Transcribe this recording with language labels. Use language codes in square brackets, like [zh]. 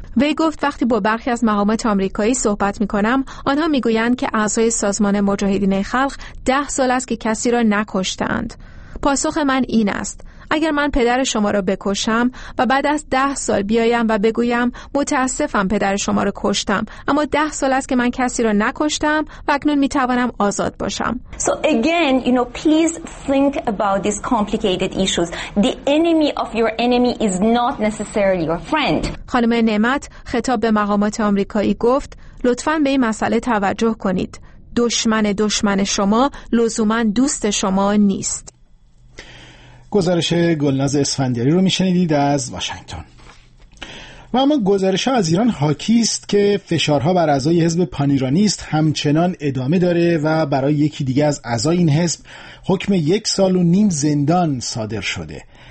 [fa] وی گفت وقتی با برخی از مقامات آمریکایی صحبت می‌کنم، آنها می‌گویند که اعضای سازمان مجاهدین خلق 10 سال است که کسی را نکشتند. پاسخ من این است: اگر من پدر شما را بکشم و بعد از 10 سال بیایم و بگویم متاسفم پدر شما را کشتم، اما 10 سال است که من کسی را نکشتم و اکنون می توانم آزاد باشم. [en] So again, you know, please think about these complicated issues. The enemy of your enemy is not necessarily your friend. [fa] خانم نعمت خطاب به مقامات آمریکایی گفت: لطفاً به این مسئله توجه کنید. دشمن شما لزوماً دوست شما نیست. گزارش گلناز اسفندیاری رو میشنیدید از واشنگتن. و اما گزارش از ایران حاکی است که فشارها بر اعضای حزب پانیرانیست همچنان ادامه داره و برای یکی دیگه از اعضای این حزب حکم 1.5 سال زندان صادر شده.